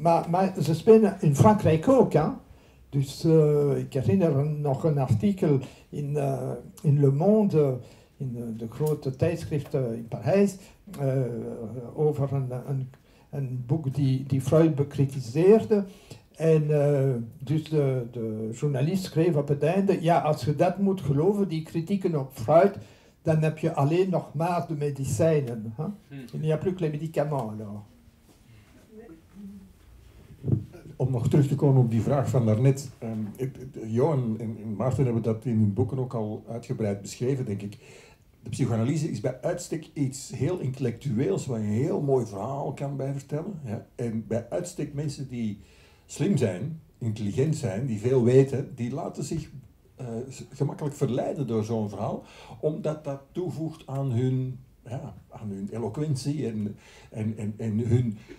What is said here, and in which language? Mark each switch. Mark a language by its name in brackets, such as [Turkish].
[Dutch] Maar ze spelen in Frankrijk ook. Hè? Dus ik herinner nog een artikel in Le Monde, in de grote tijdschrift in Parijs, over een boek die Freud bekritiseerde. En dus de journalist schreef op het einde, ja, als je dat moet geloven, die kritieken op Freud, dan heb je alleen nog maar de medicijnen. Hè? [French] Il n'y a plus que les médicaments, alors. [Dutch] Om nog terug te komen op die vraag van daarnet. Johan en Maarten hebben dat in hun boeken ook al uitgebreid beschreven, denk ik. De psychoanalyse is bij uitstek iets heel intellectueels, waar je een heel mooi verhaal kan bij vertellen. Ja. En bij uitstek mensen die slim zijn, intelligent zijn, die veel weten, die laten zich gemakkelijk verleiden door zo'n verhaal, omdat dat toevoegt aan hun, ja, aan hun eloquentie en hun...